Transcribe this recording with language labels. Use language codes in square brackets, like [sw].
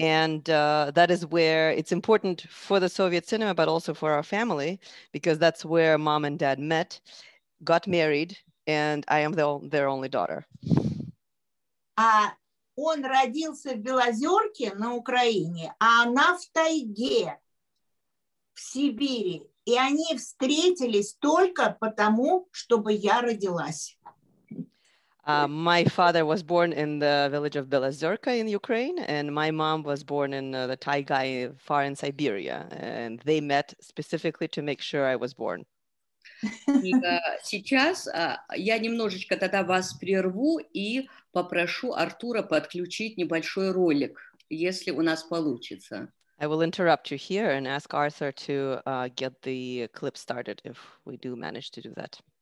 [en] And that is where it's important for the Soviet cinema, but also for our family, because that's where mom and dad met, got married, and I am their only daughter. [ru] Он родился в Белозерке на Украине, а она в тайге в Сибири. И они встретились только потому, чтобы я родилась. [en] My father was born in the village of Belozerka in Ukraine, and my mom was born in the Taiga, far in Siberia. And they met specifically to make sure I was born. [ru] И, сейчас я немножечко тогда вас прерву и попрошу Артура подключить небольшой ролик, если у нас получится. [en] I will interrupt you here and ask Arthur to get the clip started if we do manage to do that.